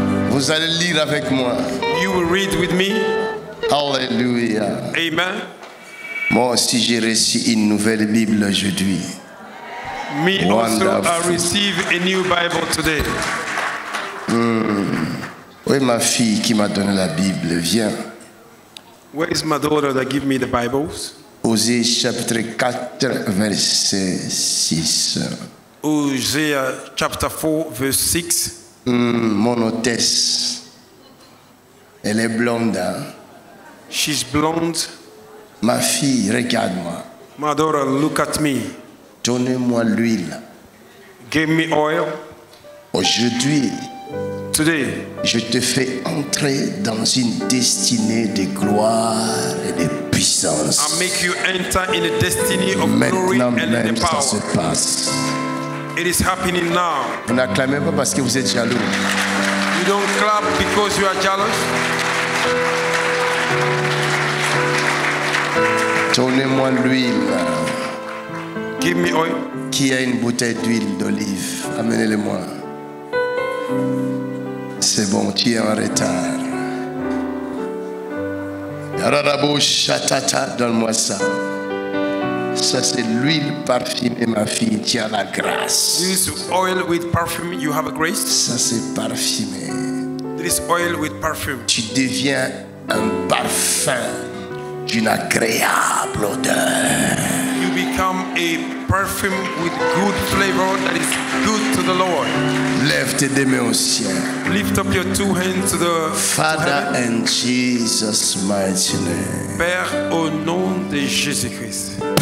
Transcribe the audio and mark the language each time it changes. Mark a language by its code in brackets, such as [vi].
[fr] Vous allez lire avec moi. [en] You will read with me. Hallelujah. Amen. [fr] Moi aussi, j'ai reçu une nouvelle Bible aujourd'hui. [en] Me Wonderful. Also, I receive a new Bible today. [fr] Où est ma fille qui m'a donné la Bible? Viens. [en] Where is my daughter that gave me the Bibles? [fr] Osée chapitre 4, verset 6. Osée chapitre 4, verset 6. Mon hôtesse. Elle est blonde. Hein? [en] She's blonde. [fr] Ma fille, regarde-moi. [en] My daughter, look at me. [fr] Donnez-moi l'huile. [en] Give me oil. [fr] Aujourd'hui. [en] Today. [fr] Je te fais entrer dans une destinée de gloire et de [en] I make you enter in a destiny of [fr] Maintenant [en] glory and the power. [fr] Se passe. [en] It is happening now. [fr] Vous n'acclamez pas parce que vous êtes jaloux. [en] You don't clap because you are jealous. [fr] Donnez-moi l'huile. [en] Give me oil. [fr] Qui a une bouteille d'huile d'olive? Amenez-le-moi. C'est bon, tu es en retard. Rarabou chatata, donne-moi ça. Ça c'est l'huile parfumée, ma fille. Tu as la grâce. [en] This oil with perfume, you have a grace. [fr] Ça c'est parfumé. [en] This oil with perfume. [fr] Tu deviens un parfum d'une agréable odeur. [en] You become a perfume with good flavor that is good to the Lord. [fr] Lève tes deux mains au ciel. [en] Lift up your two hands to the Father in Jesus' mighty name. [fr] Père au nom de Jésus-Christ.